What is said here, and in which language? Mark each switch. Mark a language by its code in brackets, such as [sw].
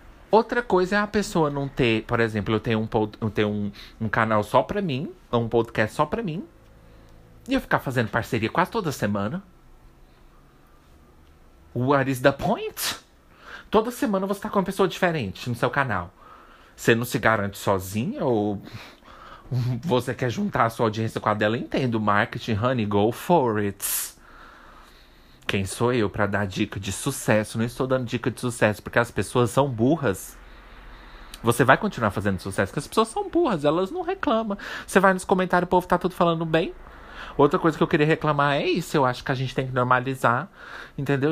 [pt] Outra coisa é a pessoa não ter, por exemplo, eu tenho um canal só pra mim, um podcast só pra mim, e eu ficar fazendo parceria quase toda semana. [en] What is the point? [pt] Toda semana você tá com uma pessoa diferente no seu canal. Você não se garante sozinha ou você quer juntar a sua audiência com a dela? Entendo, [en] marketing, honey, go for it. [pt] Quem sou eu pra dar dica de sucesso? Não estou dando dica de sucesso, porque as pessoas são burras. Você vai continuar fazendo sucesso, porque as pessoas são burras, elas não reclamam. Você vai nos comentários, o povo tá tudo falando bem. Outra coisa que eu queria reclamar é isso, eu acho que a gente tem que normalizar, entendeu?